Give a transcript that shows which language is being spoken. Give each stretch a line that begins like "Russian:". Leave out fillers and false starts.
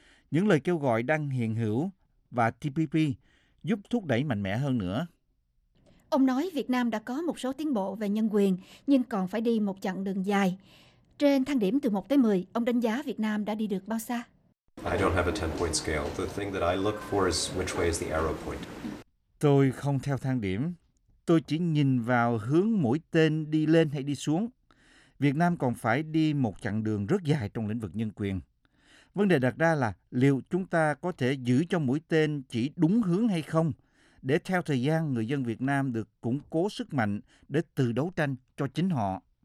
Vietnamese: Những lời kêu gọi đang hiện hữu và TPP giúp thúc đẩy mạnh mẽ hơn nữa. Ông nói Việt Nam đã có một số tiến bộ về nhân quyền, nhưng còn phải đi một chặng đường dài. Trên thang điểm từ 1 tới 10, ông đánh giá Việt Nam đã đi được bao xa?
English: I don't have a 10-point scale. The thing that I look for is which way is the arrow point.
Vietnamese: Tôi không theo thang điểm. Tôi chỉ nhìn vào hướng mũi tên đi lên hay đi xuống. Việt Nam còn phải đi một chặng đường rất dài trong lĩnh vực nhân quyền. Vấn đề đặt ra là liệu chúng ta có thể giữ cho mũi tên chỉ đúng hướng hay không, để theo thời gian người dân Việt Nam được củng cố sức mạnh để tự đấu tranh cho chính họ.